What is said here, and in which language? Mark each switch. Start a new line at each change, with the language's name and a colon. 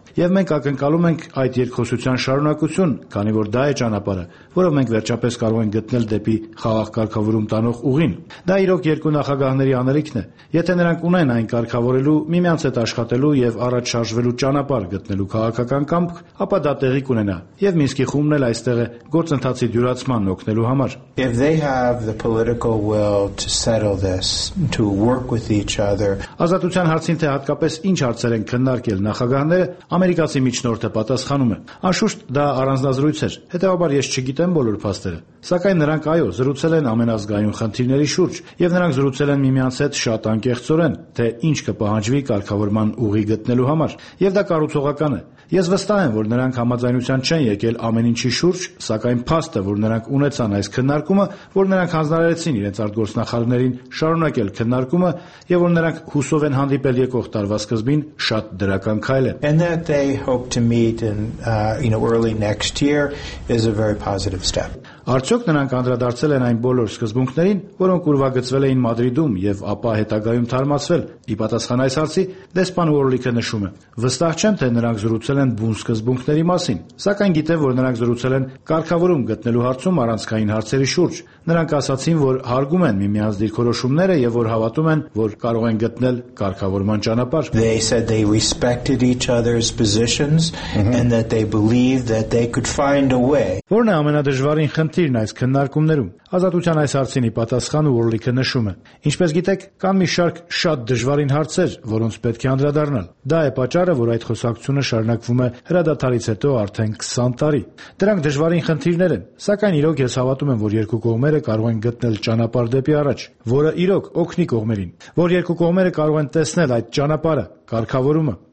Armenian: Եվ մենք ակնկալում ենք այդ երկխոսության շարունակություն, քանի որ դա է ճանապարհը, որով մենք վերջապես կարող ենք գտնել դեպի խաղաղ կարգավորում տանող ուղին։ Դա իրոք երկու նախագահների անելիքն է, եթե նրանք ունեն այն կարգավորելու, միմյանց հետ աշխատելու եւ առաջ շարժվելու ճանապարհ գտնելու քաղաքական կամք, ապա դա տեղի կունենա եւ Մինսկի խումբն էլ այստեղ է գործընթացի դյուրացման օգնելու համար։
English: If they have the political will to settle this, to work with each other,
Armenian: ազատության հարցին թե հատկապես ինչ հարցեր են քննարկել նախագահները, ամերիկացի միջնորդը պատասխանում է. Անշուշտ դա առանձնազրույց էր, հետևաբար ես չգիտեմ բոլոր փաստերը, սակայն նրանք, այո, զրուցել են ամենազգային խնդիրների շուրջ, եւ նրանք զրուցել են միմյանց հետ շատ անկեղծորեն, թե ինչ կպահանջվի կարգավորման ուղի գտնելու համար, եւ դա կարուցողական է։ Ես վստահ եմ, որ նրանք համաձայնության չեն եկել ամեն ինչի շուրջ, սակայն փաստը, որ նրանք ունեցան այս քննարկումը, որ նրանք հանձնարարեցին իրենց արտգործնախարարներին շարունակել քննարկումը, եւ որ նրանք հուսով են հանդիպել եկող տարվա սկզբին, շատ դրական քայլ է։
English: And that they hope to meet in early next year is a very positive step.
Armenian: Արդյոք նրանք անդրադարձել են այն բոլոր սկզբունքներին, որոնք ուրվագծվել էին Մադրիդում եւ ապա հետագայում թարմացվել։ Ի պատասխան այս հարցի, դեսպան Ուորլիքը նշում է. Վստահ չեմ, թե նրանք զրուցել են բուն սկզբունքների մասին, սակայն գիտեմ, որ նրանք զրուցել են կարգավորում գտնելու հարցում առանցքային հարցերի շուրջ։ Նրանք ասացին, որ հարգում են միմյանց դիրքորոշումները եւ որ հավատում են, որ կարող են գտնել կարգավորման ճանապարհ։
English: They said they respected each other's positions and that they believed that they could find a way.
Armenian: Որն է ամենադժվարին խնդիրն այս քննարկումներում։ Ազատության այս հարցին ի պատասխան Ուորլիքը նշում է. Ինչպես գիտեք, կան մի շարք շատ դժվարին հարցեր, որոնց պետք է անդրադառնալ։ Դա է պատճառը, որ այդ խոսակցությունը շարունակվում է հրադադարից հետո արդեն 20 տարի։ Դրանք դժվարին խնդիրներ են, սակայն իրոք ես հավատում եմ, որ երկու կողմերը կարող են գտնել ճանապարհ դեպի առաջ, որը իրոք օգնի կողմերին, որ երկու կողմերը կարող են տեսնել այդ ճանապարհը, կարգավորումը,